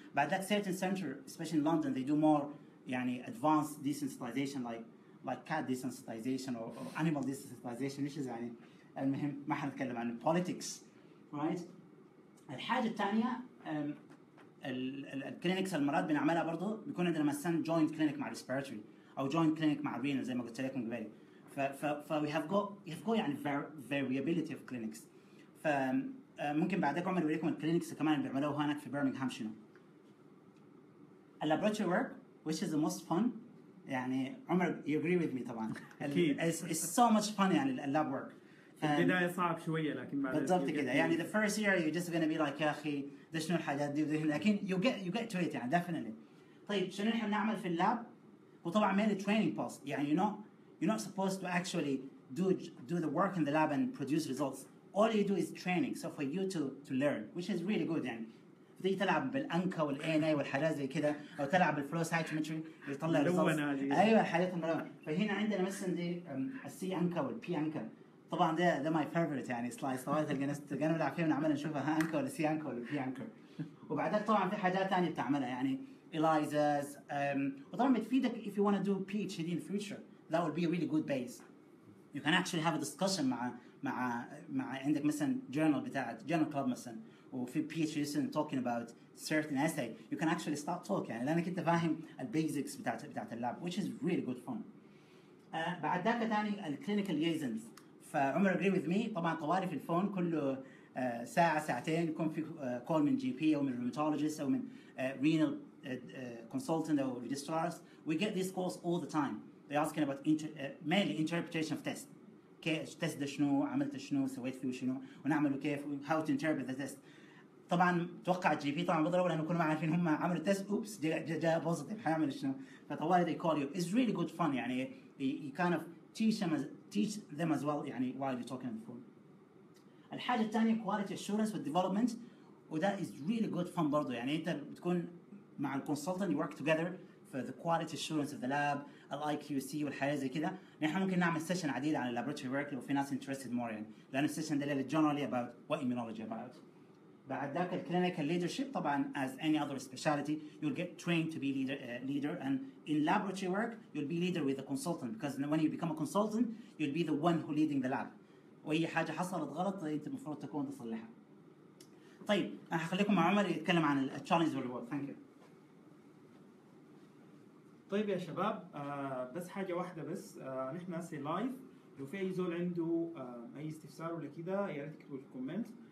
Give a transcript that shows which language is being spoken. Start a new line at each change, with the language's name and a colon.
English: But that certain center, especially in London, they do more يعني advanced desensitization like cat desensitization or animal desensitization. This is
Arabic: يعني المهم ما حنتكلم عن politics, right? الحاجة الثانية ال clinics المرات بنعملها برضو بيكون عندنا مثلا joint clinic مع respiratory أو joint clinic مع renal زي ما قلت لكم قبل.
English: ف we have got يعني variability of clinics.
Arabic: ممكن بعدك عمر يوريكم الكلينكس كمان اللي بيعملوها هناك في برمنغهام شنو. اللابوراتوري ورك
English: which is the most fun,
Arabic: يعني عمر
English: you agree with me طبعا it's so much fun
Arabic: يعني اللاب ورك البداية صعب شوية لكن بعد بالضبط كده يعني
English: the first year you're just gonna be like
Arabic: يا أخي ده شنو الحاجات دي وده,
English: لكن you get to it يعني definitely.
Arabic: طيب شنو نحن نعمل في اللاب؟ وطبعا مالي
English: training post, يعني you're not supposed to actually do the work in the lab and produce results. All you do is training, so for you to learn, which is really good.
Arabic: يعني تيجي تلعب بالأنكا والANA والحاجات زي كده أو تلعب بالفلو سايتومتري يطلع results. أيوة حاجات ملونة. فهنا عندنا مثلاً دي السي أنكا والبي أنكا. طبعاً ده
English: my favorite
Arabic: يعني slice. طبعاً تلقينا نلعب فيها ونعمل نشوفها ها أنكا ولا سي أنكا ولا بي أنكا. وبعدها طبعاً في حاجات تانية بتعملها يعني ELISAs. وطبعاً بتفيدك
English: if you want to do PhD in future, that would be a really good base. You can actually have a discussion
Arabic: مع عندك مثلا
English: journal بتاعت journal club مثلا وفي PhD student talking about certain essay, you can actually start talking
Arabic: لأنك انت فاهم البيزكس بتاعت اللاب,
English: which is really good fun.
Arabic: بعد ذاك تاني الclinical liaisons. فعمر
English: agree with me,
Arabic: طبعا طوالي في الفون كله ساعة ساعتين يكون في call من GP أو من rheumatologist أو من renal consultant أو registrars.
English: We get these calls all the time. They're asking about mainly interpretation of tests.
Arabic: كيف تست شنو عملت شنو سويت فيه شنو ونعمله كيف
English: how to interpret the test.
Arabic: طبعا توقع الجي بي طبعا بضربه لانه كنا ما عارفين هم عملوا تست اوبس جاء بوزيتيف حيعمل شنو.
English: فطوالي they call you, it's really good fun. يعني you kind of teach them as well يعني while you're talking on the phone.
Arabic: الحاجه الثانيه
English: quality assurance with development, وده is really good fun برضه.
Arabic: يعني انت بتكون مع الكونسلتنت
English: you work together for the quality assurance of the lab, IQC
Arabic: والحياة زي كده. نحن ممكن نعمل سيشن عديدة عن laboratory work لو في ناس
English: interested more in.
Arabic: لأن السيشن دليل
English: generally about what immunology about.
Arabic: بعد ذاك
English: clinical leadership, طبعا as any other specialty, you'll get trained to be leader. And in laboratory work, you'll be leader with a consultant. Because when you become a consultant, you'll be the one who leading the lab.
Arabic: وإي حاجة حصلت غلط, أنت مفروض تكون تصلحها. طيب, أنا هخليكم مع عمر يتكلم عن
English: the challenge of the world. Thank you.
Arabic: طيب يا شباب, بس حاجة واحدة بس, نحن ناسي لايف, لو في أي زول عنده أي استفسار ولا كده ياريت تكتبوا في الكومنت.